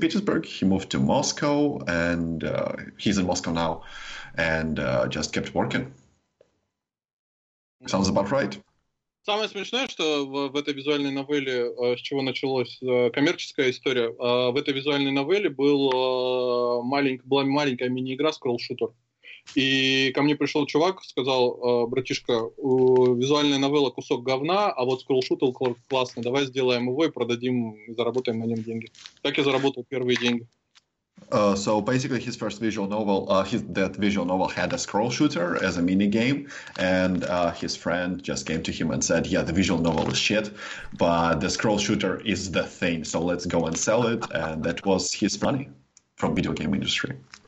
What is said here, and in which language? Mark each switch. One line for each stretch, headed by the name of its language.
English: Petersburg, he moved to Moscow, and he's in Moscow now, and just kept working. Sounds about right.
Russian: Самое смешное, что в этой визуальной новелле, с чего началась коммерческая история, в этой визуальной новелле была маленькая мини-игра скролл-шутер. И ко мне пришел чувак, сказал: братишка, визуальная новелла кусок говна, а вот скролл-шутер классный, давай сделаем его и продадим, и заработаем на нем деньги. Так я заработал первые деньги.
English: So basically, his first visual novel, that visual novel had a scroll shooter as a mini game, and his friend just came to him and said, "Yeah, the visual novel is shit, but the scroll shooter is the thing. So let's go and sell it." And that was his money from video game industry.